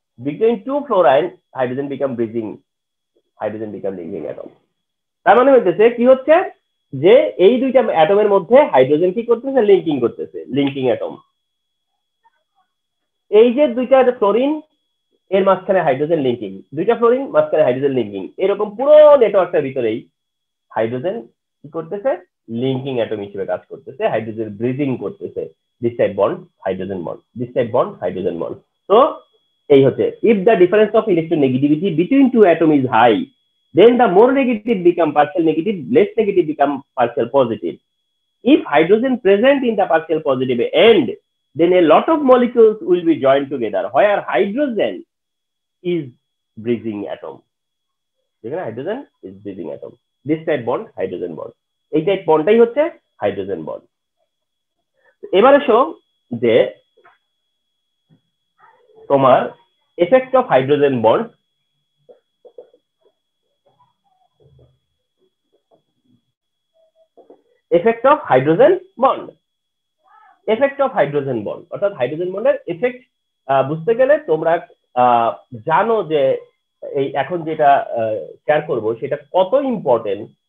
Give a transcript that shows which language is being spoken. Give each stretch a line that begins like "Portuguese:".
English: Between two fluorine, hydrogen become bridging, hydrogen become linking atom.
Bangla: তার মানে হইতেছে কি হচ্ছে যে এই দুইটা অ্যাটমের মধ্যে হাইড্রোজেন কি করতেছে লিঙ্কিং করতেছে, লিঙ্কিং অ্যাটম, এই যে দুইটা ফ্লোরিন এর মাঝখানে হাইড্রোজেন লিঙ্কিং, দুইটা ফ্লোরিন মাঝখানে হাইড্রোজেন লিঙ্কিং, এরকম পুরো নেটওয়ার্কটার ভিতরেই হাইড্রোজেন কি করতেছে লিঙ্কিং অ্যাটম হিসেবে কাজ করতেছে, হাইড্রোজেন ব্রিজিং করতেছে,
English: This type bond hydrogen bond, this type bond hydrogen bond.
Bangla: তো এই হচ্ছে
English: If the difference of electronegativity between two atom is high then the more negative become partial negative, less negative become partial positive. If hydrogen present in the partial positive end, then a lot of molecules will be joined together where hydrogen is bridging atom. Hydrogen is bridging atom. This type bond, hydrogen bond.
Bangla: এই type বন্ডটাই হচ্ছে hydrogen bond. এবার এসো যে তোমার
English: effect of hydrogen bond effect of hydrogen bond
Bangla: effect of hydrogen bond অর্থাৎ hydrogen বন্ডের effect বুঝতে গেলে তোমরা জানো যে এই এখন যেটা শেয়ার করব সেটা কত ইম্পর্টেন্ট।